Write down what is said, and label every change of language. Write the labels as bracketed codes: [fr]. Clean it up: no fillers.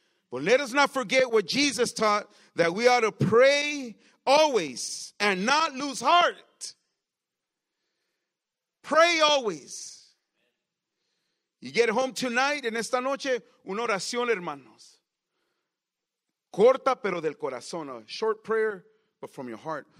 [en] But let us not forget what Jesus taught, that we ought to pray always and not lose heart. Pray always. You get home tonight, [es] en esta noche, una oración, hermanos. Corta, pero del corazón. [en] A short prayer, but from your heart.